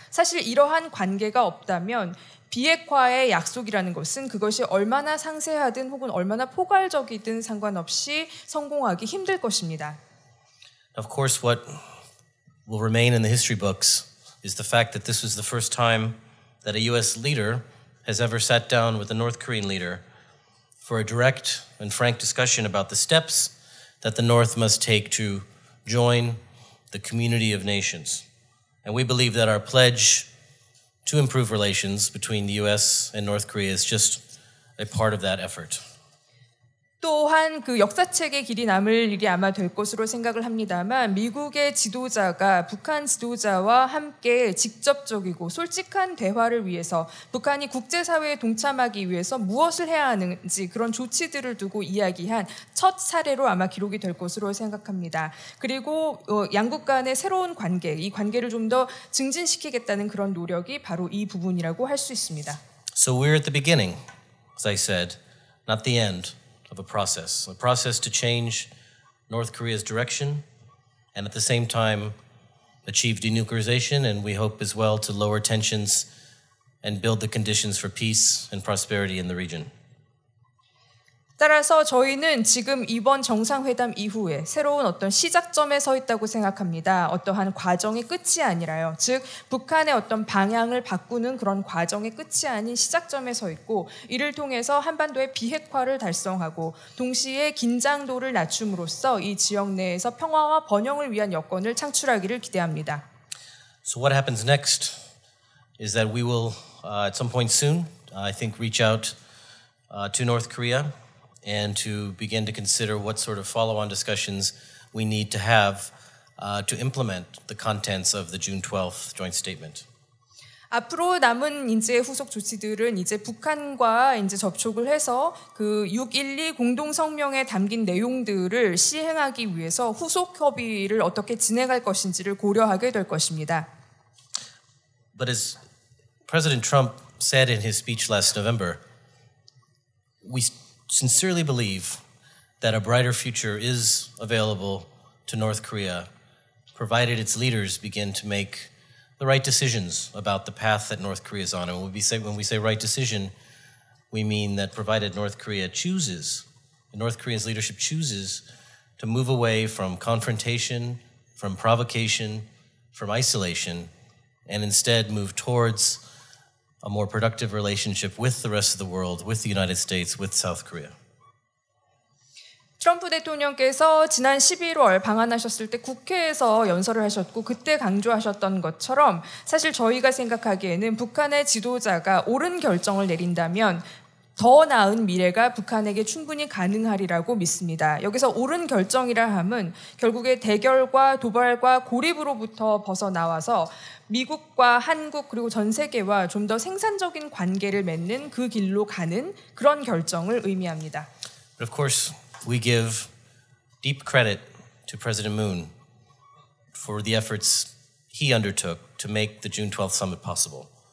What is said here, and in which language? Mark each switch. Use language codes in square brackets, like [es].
[ko] 사실 이러한 관계가 없다면 비핵화의 약속이라는 것은 그것이 얼마나 상세하든 혹은 얼마나 포괄적이든 상관없이 성공하기 힘들 것입니다. [en] Of course, what will remain in the history books is the fact that this was the first time that a U.S. leader has ever sat down with a North Korean leader for a direct and frank discussion about the steps that the North must take to join the community of nations. And we believe that our pledge to improve relations between the U.S. and North Korea is just a part of that effort. [ko] 또한 그 역사책에 길이 남을 일이 아마 될 것으로 생각을 합니다만 미국의 지도자가 북한 지도자와 함께 직접적이고 솔직한 대화를 위해서 북한이 국제사회에 동참하기 위해서 무엇을 해야 하는지 그런 조치들을 두고 이야기한 첫 사례로 아마 기록이 될 것으로 생각합니다. 그리고 양국 간의 새로운 관계, 이 관계를 좀 더 증진시키겠다는 그런 노력이 바로 이 부분이라고 할 수 있습니다. [en] So we're at the beginning, as I said, not the end. Of a process to change North Korea's direction and at the same time achieve denuclearization and we hope as well to lower tensions and build the conditions for peace and prosperity in the region. [ko] 따라서 저희는 지금 이번 정상회담 이후에 새로운 어떤 시작점에 서 있다고 생각합니다. 어떠한 과정의 끝이 아니라요. 즉 북한의 어떤 방향을 바꾸는 그런 과정의 끝이 아닌 시작점에 서 있고 이를 통해서 한반도의 비핵화를 달성하고 동시에 긴장도를 낮춤으로써 이 지역 내에서 평화와 번영을 위한 여건을 창출하기를 기대합니다. [en] So what happens next is that we will at some point soon I think reach out to North Korea. And to begin to consider what sort of follow-on discussions we need to have to implement the contents of the June 12th joint statement. [ko] 앞으로 남은 이제 후속 조치들은 이제 북한과 이제 접촉을 해서 그 6.12 공동성명에 담긴 내용들을 시행하기 위해서 후속 협의를 어떻게 진행할 것인지를 고려하게 될 것입니다. [en] But as President Trump said in his speech last November, we sincerely believe that a brighter future is available to North Korea, provided its leaders begin to make the right decisions about the path that North Korea is on. And when we say right decision, we mean that provided North Korea chooses, North Korea's leadership chooses to move away from confrontation, from provocation, from isolation, and instead move towards a more productive relationship with the rest of the world, with the United States, with South Korea. [ko] 트럼프 대통령께서 지난 11월 방한하셨을 때 국회에서 연설을 하셨고 그때 강조하셨던 것처럼 사실 저희가 생각하기에는 북한의 지도자가 옳은 결정을 내린다면 더 나은 미래가 북한에게 충분히 가능하리라고 믿습니다. 여기서 옳은 결정이라 함은 결국에 대결과 도발과 고립으로부터 벗어나와서 미국과 한국 그리고 전 세계와 좀 더 생산적인 관계를 맺는 그 길로 가는 그런 결정을 의미합니다. [en] But of course, we give deep credit to President Moon for the efforts he undertook to make the June 12th summit possible.